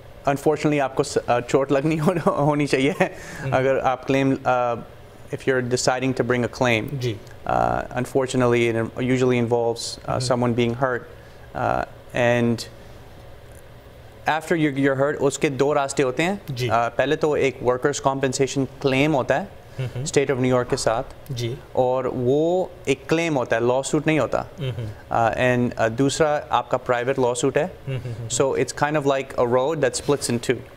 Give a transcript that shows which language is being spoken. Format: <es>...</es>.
<hi>Unfortunately आपको चोट लगनी होनी चाहिए अगर आप claim</hi> <en>if you're deciding to bring a claim. जी. Unfortunately, it usually involves someone being hurt. And after you're hurt,</en> <hi>उसके दो रास्ते होते हैं. जी. पहले तो एक workers' compensation claim होता है. स्टेट ऑफ न्यूयॉर्क के साथ जी और वो एक क्लेम होता है लॉ सूट नहीं होता एंड दूसरा आपका प्राइवेट लॉ सूट है</hi> <en>so it's kind of like a road that splits in two</en>